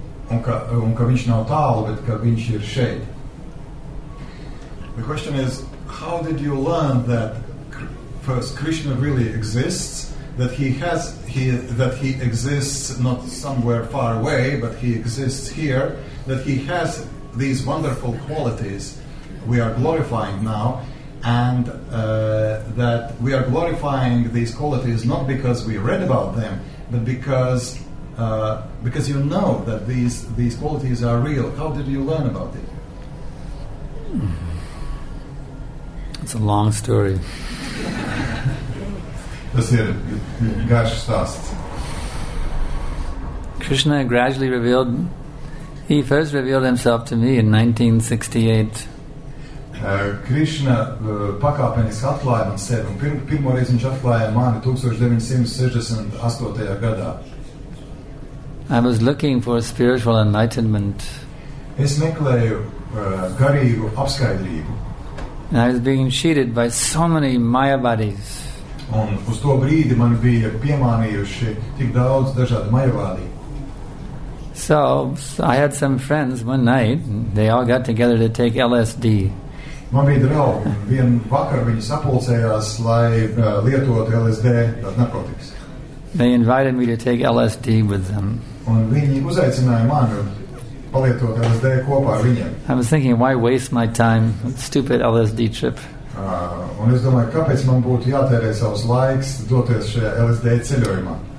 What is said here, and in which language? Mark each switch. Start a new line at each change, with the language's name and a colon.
Latvian: un ka viņš nav tālu, bet ka viņš ir šeit.
English: The question is, how did you learn that first Krishna really exists, that he exists not somewhere far away, but he exists here, that he has these wonderful qualities we are glorifying now, and that we are glorifying these qualities not because we read about them, but because you know that these qualities are real. How did you learn about it? It's a long story.
Latvian: Tas ir garš stāsts.
English: Krishna gradually revealed, he first revealed himself to me in 1968.
Latvian: Krishna pakāpeniski atklāja sevi. Pirmo reizi viņš atklāja mani 1968. Gadā.
English: I was looking for spiritual enlightenment.
Latvian: Es meklēju garīgu apskaidrību.
English: And I was being cheated by so many maya bodies.
Latvian: Un uz to brīdi man bija piemānījuši tik daudz dažādu maya vādi.
English: So I had some friends one night, they all got together to take LSD.
Latvian: Man bija draugi, vien vakar viņi sapulcējās, lai lietotu LSD, tās narkotikas.
English: They invited me to take LSD with them.
Latvian: Un viņi uzaicināja mani palietot LSD kopā ar viņiem.
English: I was thinking, why waste my time with stupid LSD trip?
Latvian: Un es domāju, kāpēc man būtu jātērē savus laiks doties šajā LSD ceļojumā.